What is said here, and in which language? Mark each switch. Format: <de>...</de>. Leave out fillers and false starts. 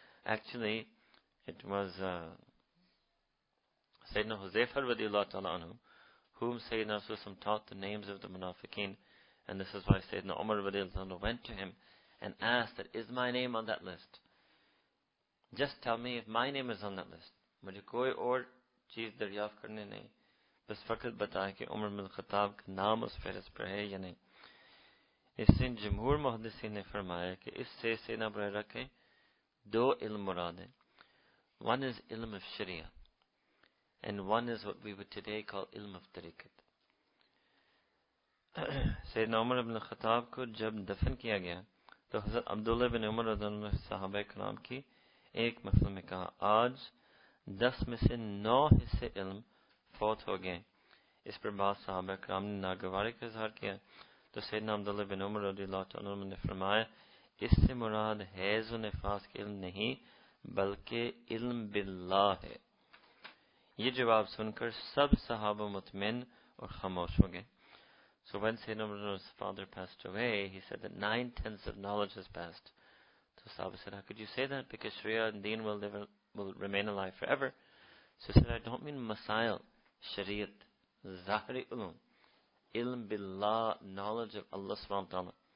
<en>Actually, it was Sayyidina Huzaifa radiallahu anhu whom Sayyidina Rasulullah taught the names of the munafiqeen, and this is why Sayyidina Umar radiallahu anhu went to him and ask that, is my name on that list? Just tell me if my name is on that list.</en> <ur>مجھے کوئی اور چیز دریافت کرنے نہیں, بس فقط بتائیں کہ عمر بن خطاب کا نام اس فہرست پر ہے یا نہیں. اس سے جمہور محدثین نے فرمایا کہ اس سے سینہ برہ رکھیں دو علم مراد ہیں.</ur> <en>One is علم of شریعہ and one is what we would today call علم of طریقت.</en> <ur>سیدنا عمر بن خطاب کو جب دفن کیا گیا تو حضرت عبداللہ بن عمر رضی اللہ عنہ صحابہ کرام کی ایک مفہوم میں کہا, آج 10 میں سے 9 حصے علم فوت ہو گئے. اس پر بعض صحابہ کرام نے ناگواری کا اظہار کیا تو سیدنا عبداللہ بن عمر رضی اللہ عنہ نے فرمایا, اس سے مراد حیض و نفاس کے علم نہیں بلکہ علم باللہ ہے. یہ جواب سن کر سب صحابہ مطمئن اور خاموش ہو گئے.</ur> <en>So when Sayyidina Umar's father passed away, he said that 9/10 of knowledge has passed. So Sahaba said, how could you say that? Because Sharia and Deen will remain alive forever. So he said, I don't mean Masail, Shariat, Zahri Ulum, Ilm Billah, knowledge of Allah subhanahu wa ta'ala.</en>